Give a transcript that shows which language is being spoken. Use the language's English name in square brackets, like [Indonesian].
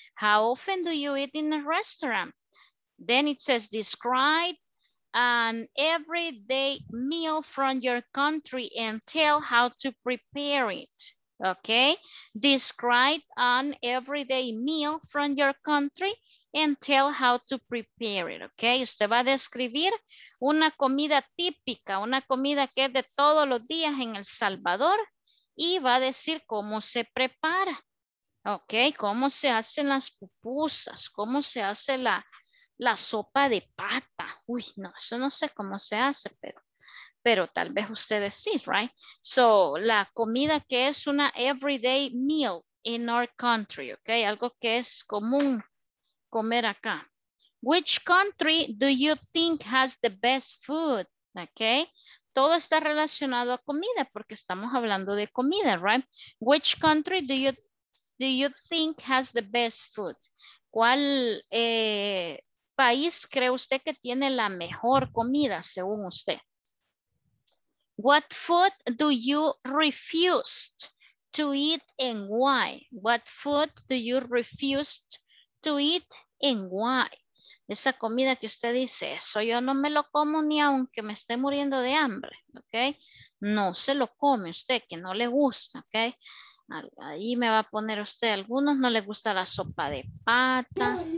[English] How often do you eat in a restaurant? Then it says, describe an everyday meal from your country and tell how to prepare it. Okay, describe an everyday meal from your country and tell how to prepare it. [Spanish] Okay, usted va a describir una comida típica, una comida que es de todos los días en El Salvador y va a decir cómo se prepara. Okay, cómo se hacen las pupusas, cómo se hace la sopa de pata. Uy, no, eso no sé cómo se hace, pero tal vez ustedes sí, right? [English] So, [Spanish] la comida que es una [English] everyday meal in our country, okay? [Spanish] Algo que es común comer acá. [English] Which country do you think has the best food? Okay? [Spanish] Todo está relacionado a comida porque estamos hablando de comida, right? [English] Which country do you think has the best food? [Spanish] ¿Cuál país cree usted que tiene la mejor comida según usted? [English] What food do you refuse to eat and why? What food do you refuse to eat and why? [Spanish] Esa comida que usted dice, eso yo no me lo como ni aunque me esté muriendo de hambre, ¿ok? No se lo come usted, que no le gusta, ¿ok? Ahí me va a poner usted, algunos no les gusta la sopa de pata.